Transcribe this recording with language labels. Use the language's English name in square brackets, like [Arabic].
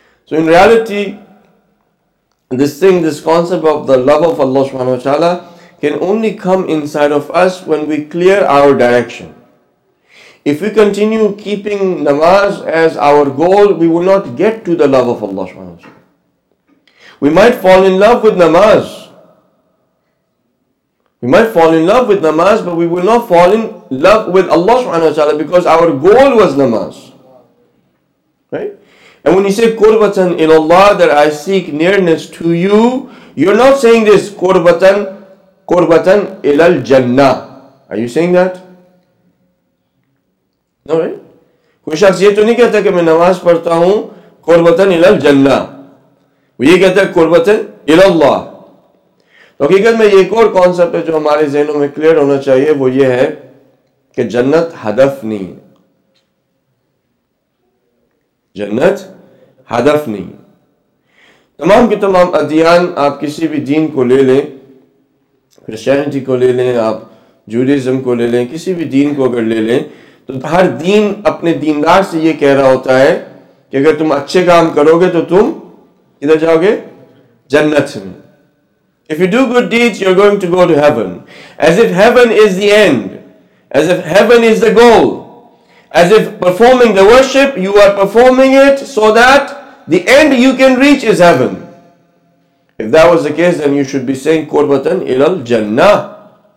[English] So in reality this thing, this concept of the love of Allah सुब्हानहू व तआला can only come inside of us when we clear our direction. If you continue keeping namaz as our goal, we will not get to the love of Allah सुब्हानहू व तआला. We might fall in love with namaz. We might fall in love with namaz, but we will not fall in love with Allah subhanahu wa ta'ala because our goal was namaz. Right? And when you say qurbatan ilallah, that I seek nearness to you, you're not saying this qurbatan ilal jannah. Are you saying that? No, right? [Hindi] Koi shakhs ye to nahi kehta ki main namaz padhta hoon qurbatan ilal jannah. Wo ye kehta qurbatan ilallah. हकीकत में एक और concept है जो हमारे जहनों में clear होना चाहिए, वो ये है कि जन्नत हदफ नहीं है. जन्नत हदफ नहीं है. तमाम के तमाम अध्ययन, आप किसी भी दीन को ले लें, क्रिश्चियनिटी को ले लें, आप जूडिज्म को ले लें, किसी भी दीन को अगर ले लें, तो हर दीन अपने दीनदार से ये कह रहा होता है कि अगर तुम अच्छे काम करोगे तो तुम किधर जाओगे? जन्नत में. [English] If you do good deeds, you're going to go to heaven. As if heaven is the end. As if heaven is the goal. As if performing the worship, you are performing it so that the end you can reach is heaven. If that was the case, then you should be saying qurbatan ilal jannah.